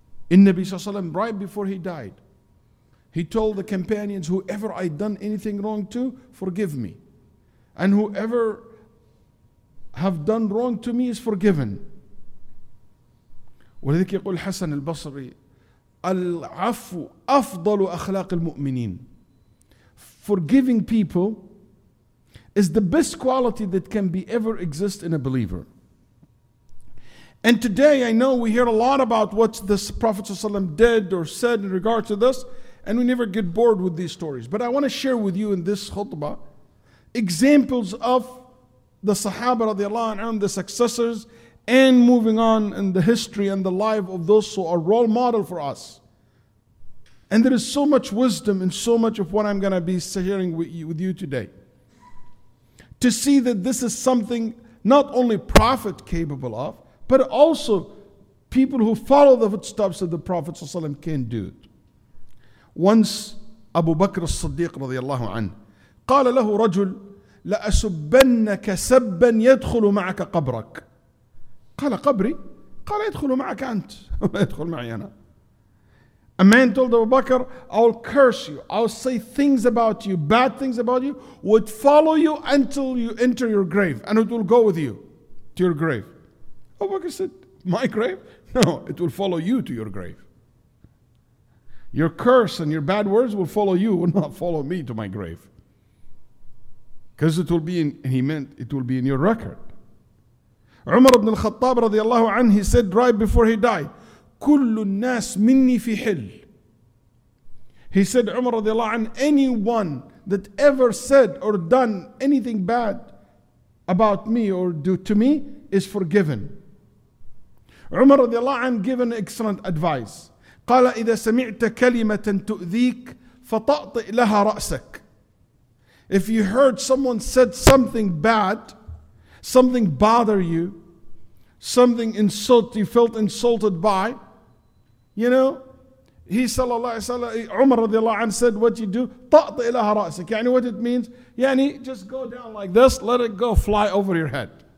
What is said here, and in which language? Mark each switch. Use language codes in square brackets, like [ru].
[en] In Nabi Sallallahu Alaihi Wasallam, right before he died, he told the companions, whoever I done anything wrong to, forgive me. And whoever have done wrong to me is forgiven. [ar] ولذلك يقول حسن البصري العفو أفضل أخلاق المؤمنين. [en] Forgiving people is the best quality that can be ever exist in a believer. And today I know we hear a lot about what the Prophet ﷺ did or said in regard to this, and we never get bored with these stories. But I want to share with you in this khutbah examples of the Sahaba radiallahu anhu, the successors, and moving on in the history and the life of those who are role model for us. And there is so much wisdom and so much of what I'm going to be sharing with you today. To see that this is something not only Prophet capable of, but also people who follow the footsteps of the Prophet ﷺ can do it. Once Abu Bakr as-Siddiq radiallahu anhu, [ar] قال له رجل لأسبنك سبا يدخل معك قبرك. قال قبري؟ قال يدخل معك أنت. يدخل معي أنا. [en] A man told Abu Bakr, I'll curse you. I'll say things about you, bad things about you, would follow you until you enter your grave, and it will go with you to your grave. Abu Bakr said, my grave? No, it will follow you to your grave. Your curse and your bad words will follow you, will not follow me to my grave. Because it will be in, and he meant it will be in your record. Umar ibn al-Khattab radiallahu anhu, he said right before he died, [ar] كل الناس مني في حل. [en] He said, Umar radiallahu anhu, anyone that ever said or done anything bad about me or do to me is forgiven. Umar radiallahu anhu given excellent advice. [ar] قال إذا سمعت كلمة تؤذيك فطأطئ لها رأسك. [en] If you heard someone said something bad, something bother you, something insult you felt insulted by, you know, he sallallahu alayhi wa sallam, Umar radiallahu anhu said, what you do? [ar] طأط إلى رأسك. [en] يعني what it means? يعني just go down like this, let it go fly over your head.